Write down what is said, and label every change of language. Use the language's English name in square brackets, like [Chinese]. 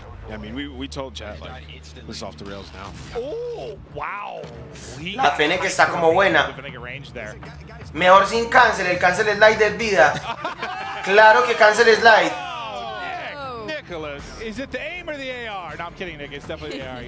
[English] I mean, we told chat like this is off the rails now. Oh, wow. [Spanish] La pene que está como buena. Mejor sin cancel, el cancel slide es vida. Claro que cancel slide. [English] Nicholas, is it the aim or the AR? No, I'm kidding, Nick, it's definitely the AR.